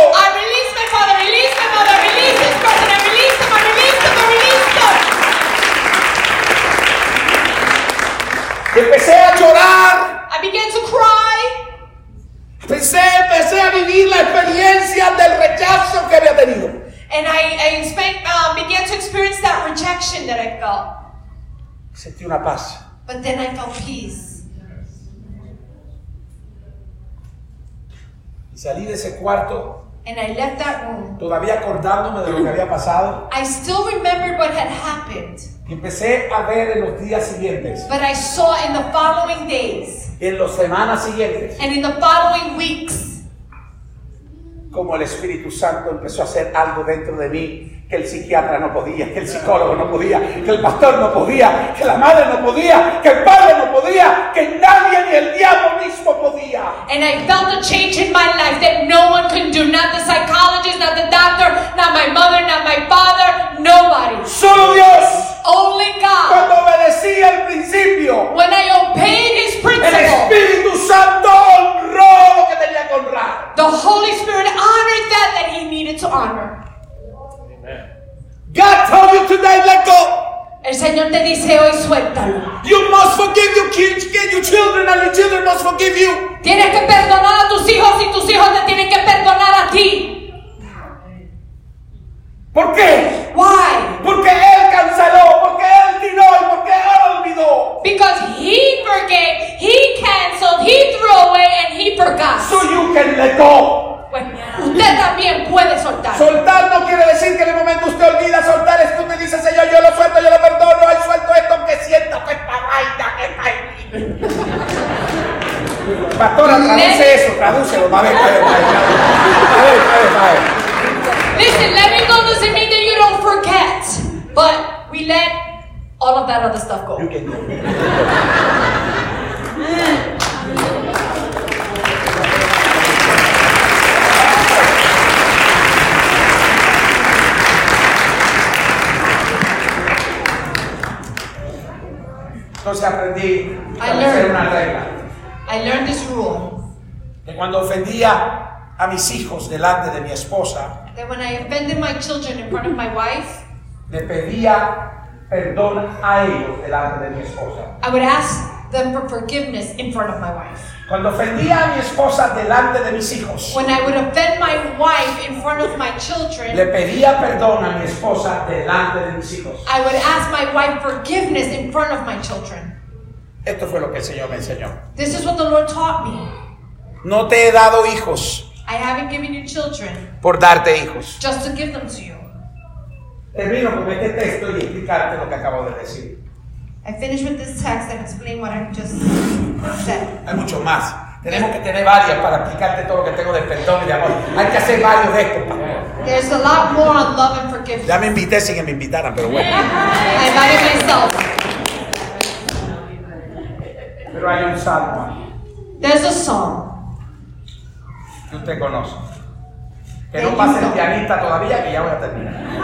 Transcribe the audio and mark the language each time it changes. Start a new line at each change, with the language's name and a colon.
English: I release my father, release my mother, release this person, I release them, I release them, I release them.
Spanish: Y empecé a llorar.
English: I began to cry.
Spanish: Empecé a vivir la experiencia del rechazo que había tenido.
English: And I began to experience that rejection that I felt.
Spanish: Sentí una paz.
English: But then I felt peace.
Spanish: Y salí de ese cuarto.
English: And I left that room.
Spanish: Todavía acordándome de lo que había pasado.
English: I still remembered what had happened.
Spanish: Y empecé a ver en los días siguientes.
English: But I saw in the following days.
Spanish: En las semanas siguientes.
English: And in the following weeks.
Spanish: como el Espíritu Santo empezó a hacer algo dentro de mí que el psiquiatra no podía, que el psicólogo no podía, que el pastor no podía, que la madre no podía, que el padre no podía, que nadie ni el diablo mismo podía.
English: And I felt a change in my life that no one could do, not the psychologist, not the doctor, not my mother, not my father, nobody.
Spanish: Solo Dios.
English: Only God.
Spanish: Cuando obedecí al principio.
English: When I obeyed his principle.
Spanish: El Espíritu Santo honró lo que tenía que honrar.
English: The Holy Spirit honored that he needed to honor. God told you today, let go.
Spanish: El Señor te dice hoy, suéltalo.
English: You must forgive your kids, your children, and your children must forgive you.
Spanish: Tienes que perdonar a tus hijos y tus hijos te tienen que perdonar a ti. ¿Por qué?
English: Why?
Spanish: Porque él canceló, porque él tiró y porque él olvidó.
English: Because he forgave, he canceled, he threw away, and he forgot. So you can let go.
Spanish: Usted también puede soltar. Soltar no quiere decir que en el momento usted olvida. Soltar es que usted dice, Señor, yo lo suelto, yo lo perdono. Ay, suelto esto que siento que es para vaina, que está en mí. Pastora, traduce eso, tradúcelo. A ver.
English: Listen, let me go doesn't mean that you don't forget. But we let all of that other stuff go. You can do it.
Spanish: Entonces aprendí a hacer una regla.
English: I learned this rule.
Spanish: Que cuando ofendía a mis hijos delante de mi esposa,
English: that when I offended my children in front of my wife,
Spanish: le pedía perdón a ellos delante de mi esposa.
English: I would ask them for forgiveness in front of my wife.
Spanish: Cuando ofendía a mi esposa delante de mis hijos,
English: when I would offend my wife in front of my children,
Spanish: le pedía perdón a mi esposa delante de mis hijos.
English: I would ask my wife forgiveness in front of my children.
Spanish: Esto fue lo que el Señor me enseñó.
English: This is what the Lord taught me.
Spanish: No te he dado hijos.
English: I haven't given you children.
Spanish: Por darte hijos.
English: Just to give them to you.
Spanish: Termino con este texto y explicarte lo que acabo de decir.
English: I finish with this text and explain what I've just said.
Spanish: Hay mucho más. Tenemos que tener varias para explicarte todo lo que tengo de perdón y de amor. Hay que hacer varios de estos.
English: There's a lot more on love and forgiveness.
Spanish: Ya me invité sin que me invitaran, pero bueno.
English: I invited myself.
Spanish: Pero hay un salmo.
English: There's a song.
Spanish: Que usted conoce. Que no pase el pianista todavía, que ya voy a terminar.